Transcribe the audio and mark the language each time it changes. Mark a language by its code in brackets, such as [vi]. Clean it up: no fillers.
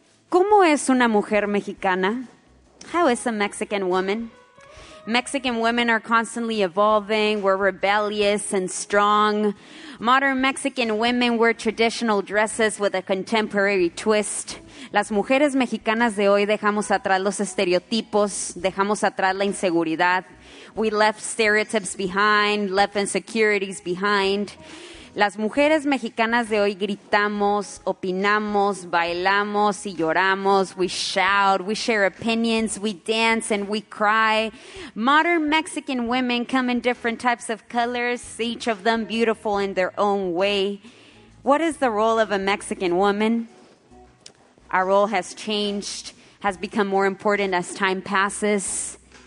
[es] ¿Cómo es una mujer mexicana? [en] How is a Mexican woman? Mexican women are constantly evolving. We're rebellious and strong. Modern Mexican women wear traditional dresses with a contemporary twist. [es] Las mujeres mexicanas de hoy dejamos atrás los estereotipos, dejamos atrás la inseguridad. [en] We left stereotypes behind, left insecurities behind. [es] Las mujeres mexicanas de hoy gritamos, opinamos, bailamos y lloramos. [en] We shout, we share opinions, we dance and we cry. Modern Mexican women come in different types of colors, each of them beautiful in their own way. What is the role of a Mexican woman? Our role has changed, has become more important as time passes.